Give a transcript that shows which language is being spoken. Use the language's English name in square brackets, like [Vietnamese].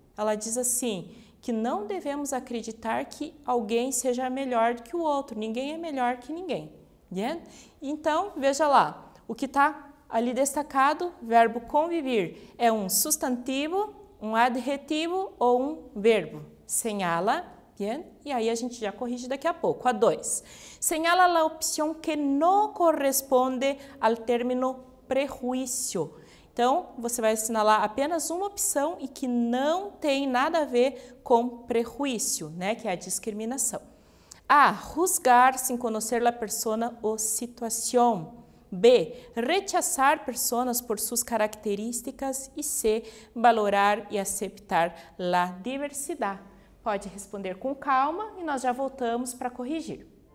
[Portuguese] Ela diz assim, que não devemos acreditar que alguém seja melhor do que o outro. Ninguém é melhor que ninguém. Yeah? Então, veja lá, o que está ali destacado, verbo convivir, é um substantivo, um adjetivo ou um verbo. [Spanish] Señala, bien? [Portuguese] E aí a gente já corrige daqui a pouco. A 2. [Spanish] Señala la opción que no corresponde al término prejuicio. [Portuguese] Então, você vai assinalar apenas uma opção e que não tem nada a ver com prejuicio, né? Que é a discriminação. A. [Spanish] Juzgar sin conocer la persona o situación. [Portuguese] B. Rechazar pessoas por suas características. E C. Valorar e aceitar a diversidade. Pode responder com calma e nós já voltamos para corrigir.